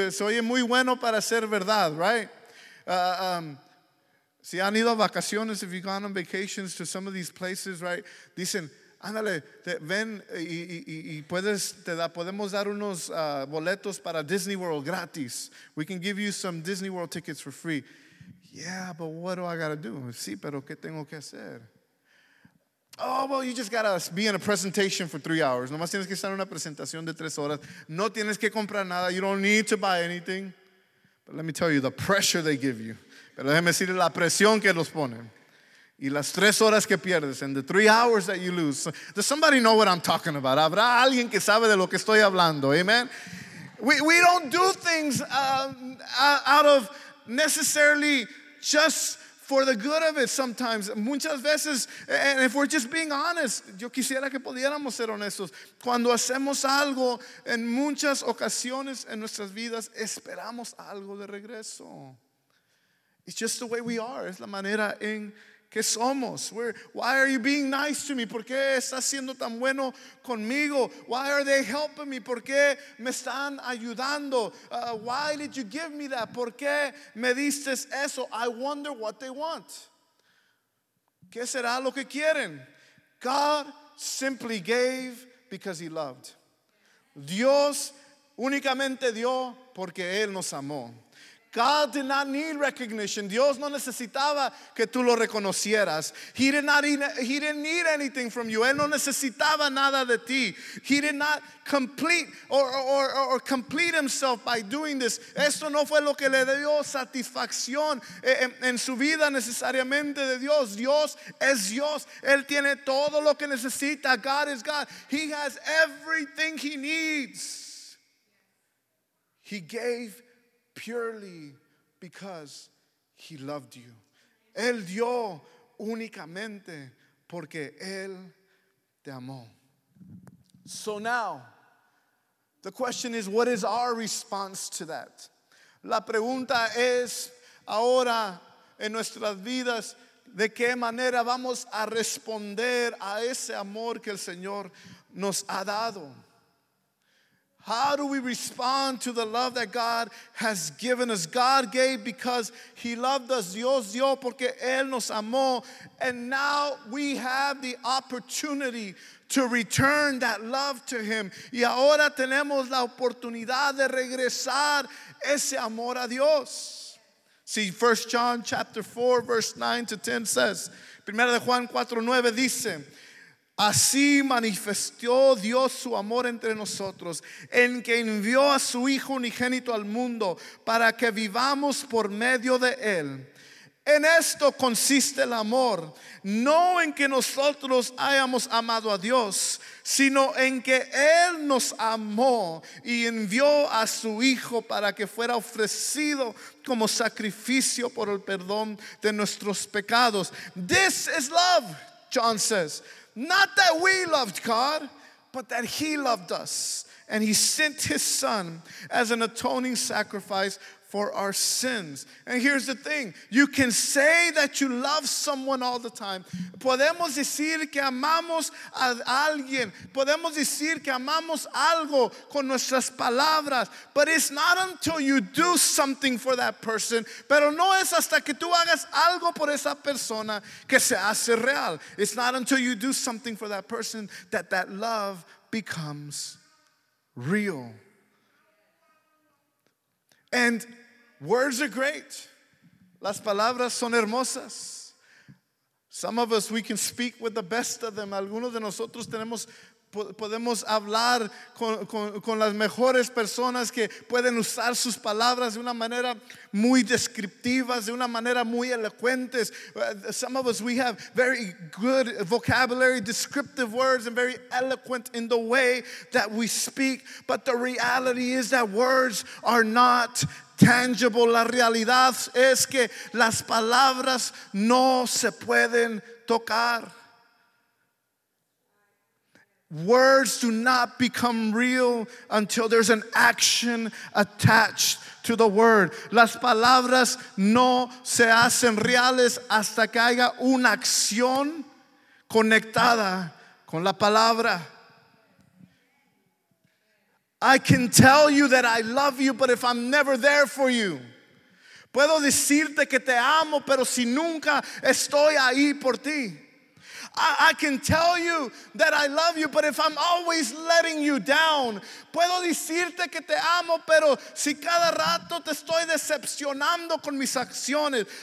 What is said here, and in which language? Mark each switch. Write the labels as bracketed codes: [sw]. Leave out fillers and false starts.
[es] Es, oye, muy bueno para ser verdad, right? Si han ido a vacaciones, [en] if you've gone on vacations to some of these places, right? [es] Dicen, ándale, ven y puedes, podemos dar unos boletos para Disney World gratis. [en] We can give you some Disney World tickets for free. Yeah, but what do I got to do? [es] Sí, pero ¿qué tengo que hacer? [en] Oh, well, you just got to be in a presentation for 3 hours. [es] Nomás tienes que estar en una presentación de 3 horas. No tienes que comprar nada. [en] You don't need to buy anything. But let me tell you, the pressure they give you. [es] Pero déjeme decirle la presión que los ponen. Y las 3 horas que pierdes, [en] and the 3 hours that you lose. Does somebody know what I'm talking about? [es] ¿Habrá alguien que sabe de lo que estoy hablando? [en] Amen. We don't do things out of necessarily just for the good of it sometimes. [es] Muchas veces, [en] and if we're just being honest, [es] yo quisiera que pudiéramos ser honestos. Cuando hacemos algo, en muchas ocasiones en nuestras vidas, esperamos algo de regreso. [en] It's just the way we are. [es] Es la manera en que somos. [en] Why are you being nice to me? [es] ¿Por qué estás siendo tan bueno conmigo? [en] Why are they helping me? [es] ¿Por qué me están ayudando? [en] Why did you give me that? [es] ¿Por qué me diste eso? [en] I wonder what they want. [es] ¿Qué será lo que quieren? [en] God simply gave because He loved. [es] Dios únicamente dio porque Él nos amó. [en] God did not need recognition. [es] Dios no necesitaba que tú lo reconocieras. [en] He didn't need anything from you. [es] Él no necesitaba nada de ti. [en] He did not complete or complete himself by doing this. [es] Esto no fue lo que le dio satisfacción en su vida necesariamente de Dios. Dios es Dios. Él tiene todo lo que necesita. [en] God is God. He has everything He needs. He gave purely because He loved you. [es] Él dio únicamente porque Él te amó. [en] So now, the question is, what is our response to that? [es] La pregunta es, ahora en nuestras vidas, ¿de qué manera vamos a responder a ese amor que el Señor nos ha dado? [en] How do we respond to the love that God has given us? God gave because He loved us. [es] Dios dio porque Él nos amó. [en] And now we have the opportunity to return that love to Him. [es] Y ahora tenemos la oportunidad de regresar ese amor a Dios. [en] See, 1 John chapter 4, verse 9 to 10 says, [es] 1 Juan 4, 9 dice, así manifestó Dios su amor entre nosotros, en que envió a su Hijo unigénito al mundo para que vivamos por medio de Él. En esto consiste el amor, no en que nosotros hayamos amado a Dios, sino en que Él nos amó y envió a su Hijo para que fuera ofrecido como sacrificio por el perdón de nuestros pecados. [en] This is love, John says, not that we loved God, but that he loved us. And he sent his son as an atoning sacrifice for our sins. And here's the thing. You can say that you love someone all the time. [es] Podemos decir que amamos a alguien. Podemos decir que amamos algo con nuestras palabras. [en] But it's not until you do something for that person. [es] Pero no es hasta que tú hagas algo por esa persona que se hace real. [en] It's not until you do something for that person that that love becomes real. And words are great. [es] Las palabras son hermosas. [en] Some of us, we can speak with the best of them. [es] Algunos de nosotros tenemos, podemos hablar con las mejores personas que pueden usar sus palabras de una manera muy descriptivas, de una manera muy elocuentes. [en] Some of us, we have very good vocabulary, descriptive words, and very eloquent in the way that we speak. But the reality is that words are not tangible. [es] La realidad es que las palabras no se pueden tocar. [en] Words do not become real until there's an action attached to the word. [es] Las palabras no se hacen reales hasta que haya una acción conectada con la palabra. [en] I can tell you that I love you, but if I'm never there for you. [es] Puedo decirte que te amo, pero si nunca estoy ahí por ti. [en] I can tell you that I love you, but if I'm always letting you down. [es] Puedo decirte que te amo, pero si cada rato te estoy decepcionando con mis acciones.